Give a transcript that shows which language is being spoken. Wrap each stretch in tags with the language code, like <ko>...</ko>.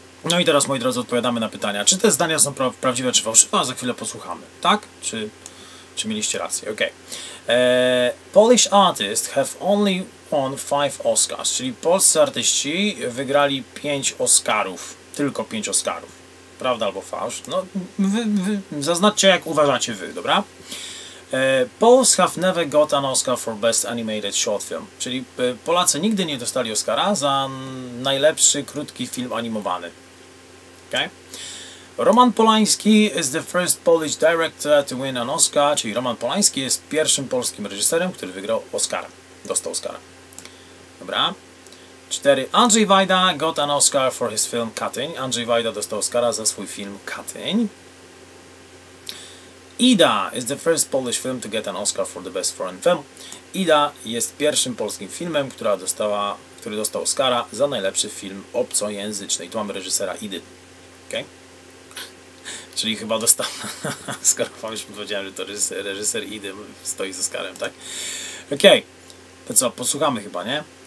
<pl>No i teraz, moi drodzy, odpowiadamy na pytania. Czy te zdania są prawdziwe, czy fałszywe? A za chwilę posłuchamy, tak? Czy mieliście rację? Okej.</pl> <en>Polish artists have only won 5 Oscars.</en> <pl>Czyli polscy artyści wygrali 5 Oscarów. Tylko 5 Oscarów. Prawda albo fałsz? No, wy zaznaczcie, jak uważacie wy, dobra?</pl> <en>Poles have never got an Oscar for best animated short film.</en> <pl>Czyli Polacy nigdy nie dostali Oscara za najlepszy krótki film animowany. Okay?</pl> <en>Roman Polański is the first Polish director to win an Oscar.</en> <pl>Czyli Roman Polański jest pierwszym polskim reżyserem, który wygrał Oscara. Dostał Oscara. Dobra. 4.</pl> <en>Andrzej Wajda got an Oscar for his film Katyń.</en> <pl>Andrzej Wajda dostał Oscara za swój film Katyń.</pl> <en>Ida is the first Polish film to get an Oscar for the best foreign film.</en> <pl>Ida jest pierwszym polskim filmem, który dostał Oscara za najlepszy film obcojęzyczny. I tu mamy reżysera Idy. Okay? Czyli chyba dostał, skoro powiedziałem, że to reżyser Idy stoi z Oscarem, tak? Okej, okay. To co, posłuchamy chyba, nie?</pl>